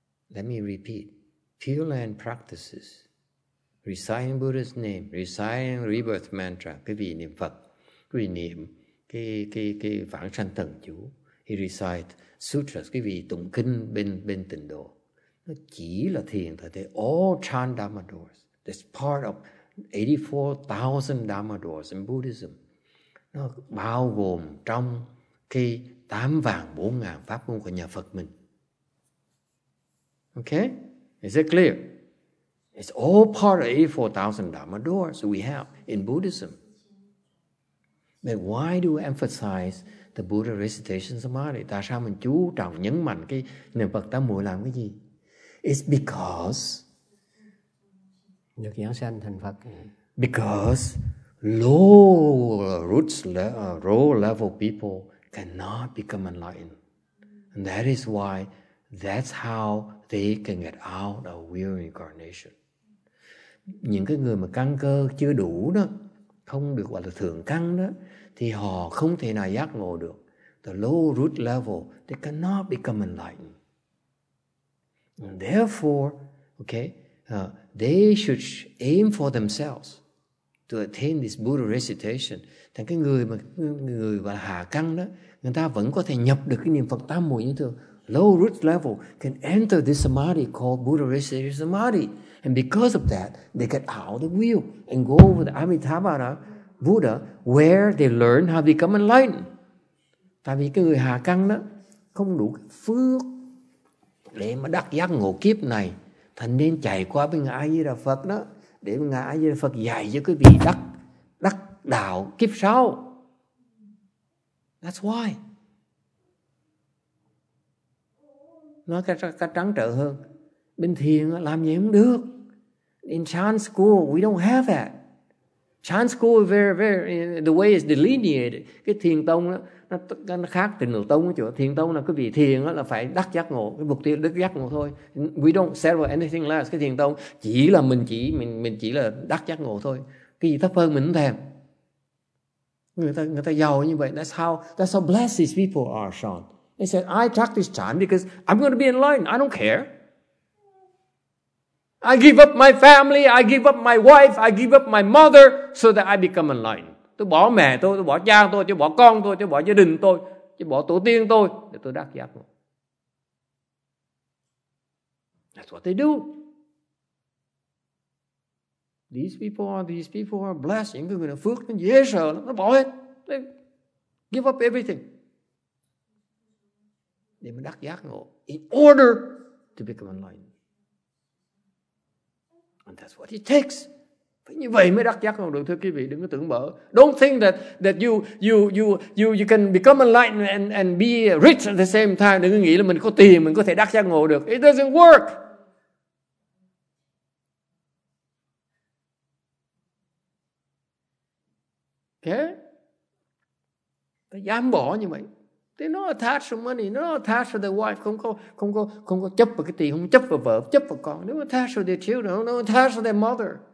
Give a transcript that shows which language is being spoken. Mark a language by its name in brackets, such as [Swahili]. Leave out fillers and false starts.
[English] Let me repeat. Pure Land practices. Reciting Buddha's name. Reciting rebirth mantra. [Vietnamese] Cái vị niệm Phật. Cái niệm. Cái vãng sanh thần chủ. [English] He recites sutras. [Vietnamese] Cái vị tụng kinh bên tịnh độ. Nó chỉ là thiền thôi. [English] They all chan dharma doors. That's part of 84,000 dharma doors in Buddhism. [Vietnamese] nó bao gồm trong cái 84,000 pháp môn của nhà Phật mình. [English] Okay, is it clear? It's all part of 84,000 Dharma doors we have in Buddhism. But why do we emphasize the Buddha recitation samadhi? [Vietnamese] Tại sao mình chú trọng nhấn mạnh cái niệm Phật tam muội làm cái gì? [English] It's because [Vietnamese] được giảng sanh thành Phật. [English] Because low roots low level people cannot become enlightened, and that is why that's how they can get out of wheel incarnation. [Vietnamese] Những cái người mà căn cơ chưa đủ đó, không được gọi là thượng căn đó, thì họ không thể nào giác ngộ được. [English] The low root level, they cannot become enlightened. And therefore, okay, they should aim for themselves to attain this Buddha recitation. [Vietnamese] Thì cái người mà người gọi là hạ căn đó, người ta vẫn có thể nhập được cái niệm Phật tam muội như thường. [English] Low root level can enter this samadhi called Buddha recitation samadhi. And because of that, they get out of the wheel and go over the Amitabha Buddha, where they learn how to become enlightened. [Vietnamese] Tại vì cái người hạ căn đó không đủ phước để mà đắc giác ngộ kiếp này, thành nên chạy qua bên ngài A Di Đà Phật đó để ngài A Di Đà Phật dạy cho quý vị đắc đạo kiếp sau. [English] That's why. [Vietnamese] Nói cách trắng trợn hơn, bình thường làm gì không được. [English] In Chan school, we don't have that. Chan school, very the way is delineated. [Vietnamese] Cái thiền tông đó, nó khác tình độ tông ở chỗ. Thiền tông là cái vị thiền là phải đắc giác ngộ. Cái mục tiêu đắc giác ngộ thôi. [English] We don't settle anything less. [Vietnamese] Cái thiền tông chỉ là mình chỉ là đắc giác ngộ thôi. Cái gì thấp hơn mình cũng thèm. Người ta giàu như vậy. [English] That's how blessed these people are, Sean. They said, I practice Chan because I'm going to be enlightened. I don't care. I give up my family, I give up my wife, I give up my mother so that I become enlightened. [Vietnamese] Tôi bỏ mẹ tôi bỏ cha tôi bỏ con tôi bỏ gia đình tôi bỏ tổ tiên tôi để tôi đắc giác. [English] That's what they do. These people are blessed. [Vietnamese] Những người này phước, dễ sợ lắm. Nó bỏ hết. [English] They give up everything. [Vietnamese] Để mà đắc giác ngộ. [English] In order to become enlightened. And that's what it takes. [Vietnamese] Phải như vậy mới đắc giác ngộ được, thưa quý vị, đừng có tưởng bỡ. [English] Don't think that you can become enlightened and be rich at the same time. [Vietnamese] Đừng có nghĩ là mình có tiền mình có thể đắc giác ngộ được. [English] It doesn't work. [Vietnamese] Okay? Phải dám bỏ như vậy. [English] They're not attached to money, they're not attached to their wife, [Vietnamese] không có chấp vào cái tiền, không chấp vào vợ, chấp vào con. [English] They're not attached to their children, they're not attached to their mother.